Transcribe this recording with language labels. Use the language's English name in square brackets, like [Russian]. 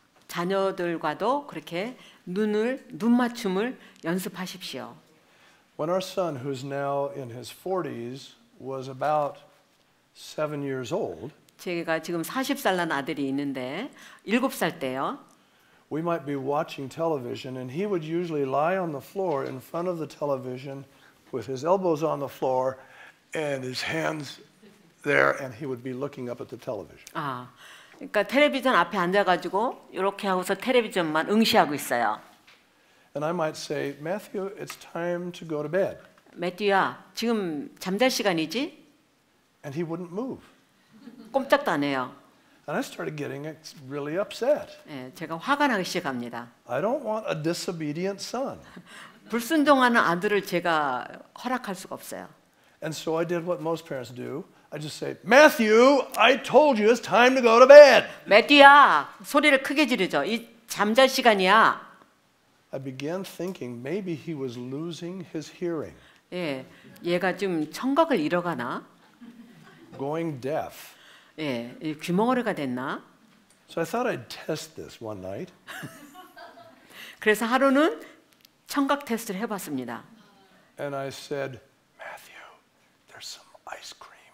[Korean] 자녀들과도 그렇게 눈 맞춤을 연습하십시오. [English] When our son, who's now in his 40s, was about 7 years old, [Korean] 제가 지금 40살 난 아들이 있는데 7살 때요. [English] We might be watching television and he would usually lie on the floor in front of the television with his elbows on the floor and his hands there and he would be looking up at the television. [Korean] 아. 그러니까 텔레비전 앞에 앉아가지고 이렇게 하고서 텔레비전만 응시하고 있어요. [English] And I might say, Matthew, it's time to go to bed. [Korean] 매튜야, 지금 잠잘 시간이지? [English] And he wouldn't move. [Korean] 꼼짝도 안 해요. [English] And I started getting really upset. [Korean] 예, 제가 화가 나기 시작합니다. [English] I don't want a disobedient son. [Korean] 불순종하는 아들을 제가 허락할 수가 없어요. [English] And so I did what most parents do. I just say, Matthew, I told you it's time to go to bed. [Korean] 매튜야, 소리를 크게 지르죠. 이 잠잘 시간이야. [English] I began thinking maybe he was losing his hearing. [Korean] 예, 얘가 좀 청각을 잃어가나? [English] Going deaf. [Korean] 예, 귀멍어리가 됐나? [English] So I thought I'd test this one night. [Korean] 그래서 하루는 청각 테스트를 해봤습니다. [English] And I said, Matthew, there's some ice cream.